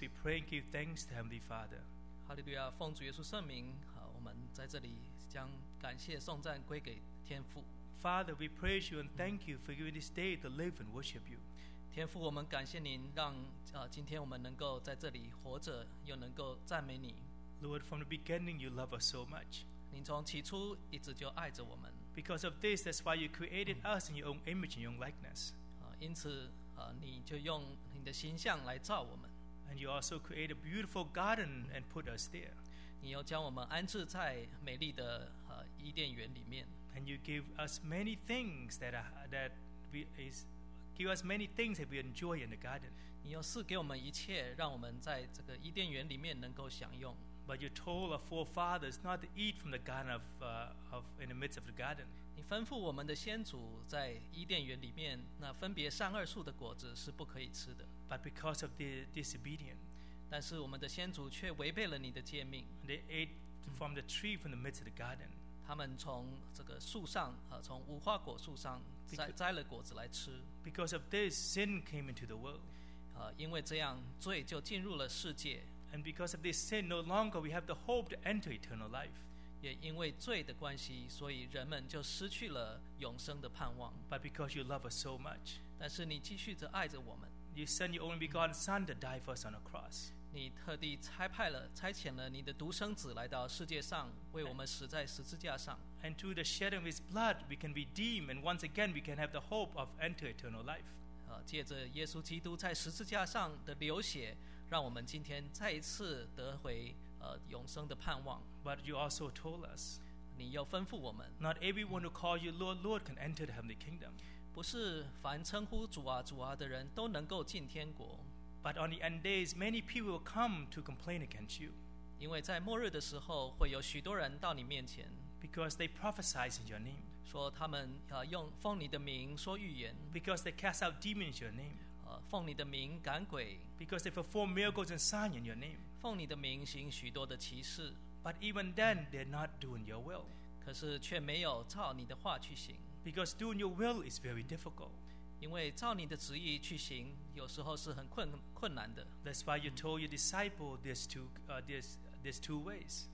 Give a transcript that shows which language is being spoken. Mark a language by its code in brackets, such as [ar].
[en] We pray and give thanks to Heavenly Father. [zh] Hallelujah, 奉主耶稣圣名，我们在这里将感谢颂赞归给天父。 [en] Father, we praise you and thank you for giving this day to live and worship you. [zh] 天父，我们感谢您让今天我们能够在这里活着，又能够赞美你。 [en] Lord, from the beginning, you love us so much. [zh] 您从起初一直就爱着我们。 [en] Because of this, that's why you created us in your own image and your own likeness. [zh] 因此，你就用你的形象来造我们。 [en] And you also created a beautiful garden and put us there. [zh] 你又将我们安置在美丽的伊甸园里面。 [en] And you give us many things that we enjoy in the garden. [zh] 你又赐给我们一切，让我们在这个伊甸园里面能够享用。 [en] But you told our forefathers not to eat from the garden of in the midst of the garden. [zh] 你吩咐我们的先祖在伊甸园里面那分别善恶树的果子是不可以吃的。 [en] But because of the disobedience, [zh] 但是我们的先祖却违背了你的诫命。 [en] They ate from the tree from the midst of the garden. [zh] 他们从这个树上从无花果树上摘了果子来吃。 [en] Because of this, sin came into the world. [zh] 因为这样罪就进入了世界。 [en] And because of this sin, no longer we have the hope to enter eternal life. [zh] 也因为罪的关系，所以人们就失去了永生的盼望。 [en] But because you love us so much, [zh] 但是你继续着爱着我们。 [en] You sent your only begotten Son to die for us on a cross. [zh] 你特地差遣了你的独生子来到世界上，为我们死在十字架上。 [en] And through the shedding of His blood, we can be redeemed, and once again we can have the hope of enter eternal life. [zh] 借着耶稣基督在十字架上的流血。让我们今天再一次得回永生的盼望。 [en] But you also told us, [zh] 你又吩咐我们 [en] ，Not everyone who calls you Lord, Lord can enter the heavenly kingdom. [zh] 不是凡称呼主啊、主啊的人都能够进天国。 [en] But on the end days, many people will come to complain against you. [zh] 因为在末日的时候，会有许多人到你面前。 [en] Because they prophesize in your name. [zh] 说他们用奉你的名说预言。 [en] Because they cast out demons in your name. [zh] 奉你的名赶鬼 [en] because they perform miracles and signs in your name [zh] 奉你的名行许多的奇事 [en] but even then they're not doing your will [zh] 可是却没有照你的话去行 [en] because doing your will is very difficult [zh] 因为照你的旨意去行有时候是很困难的 [en] that's why you told your disciples these two ways